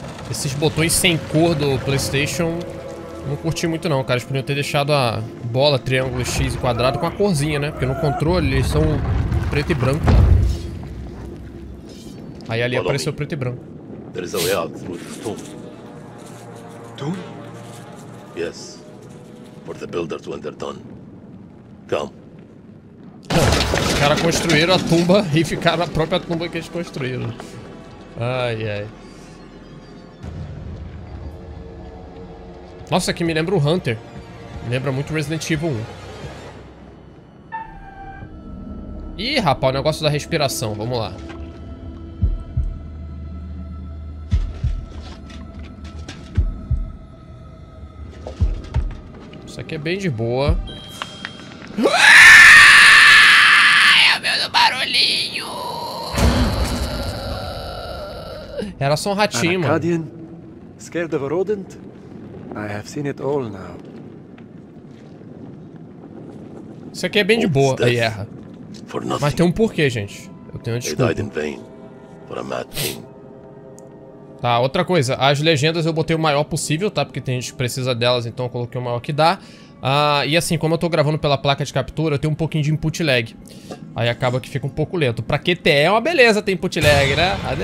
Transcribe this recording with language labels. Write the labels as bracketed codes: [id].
[pt] Esses botões sem cor do PlayStation não curti muito não, cara. Eles poderiam ter deixado a bola, triângulo, X e quadrado com a corzinha, né? Porque no controle eles são preto e branco. Aí ali apareceu preto e branco. [en] There is a way out through the tomb. Tomb? Yes. For the builders when they're done. Come. [pt] Os caras construíram a tumba e ficaram na própria tumba que eles construíram. Ai, ai. Nossa, aqui me lembra o Hunter. Lembra muito Resident Evil 1. Ih, rapaz, o negócio da respiração. Vamos lá. Isso aqui é bem de boa. Ai, meu Deus, barulhinho! Era só um ratinho, mano. [en] Arcadian? Scared of a rodent? I have seen it all now. [pt] Isso aqui é bem de boa, aí erra. Mas tem um porquê, gente. Eu tenho uma desculpa. [en] They died in vain for a mad king. [pt] Tá, outra coisa. As legendas eu botei o maior possível, tá? Porque tem gente que precisa delas, então eu coloquei o maior que dá. E assim, como eu tô gravando pela placa de captura, eu tenho um pouquinho de input lag. Aí acaba que fica um pouco lento. Pra QTE é uma beleza ter input lag, né?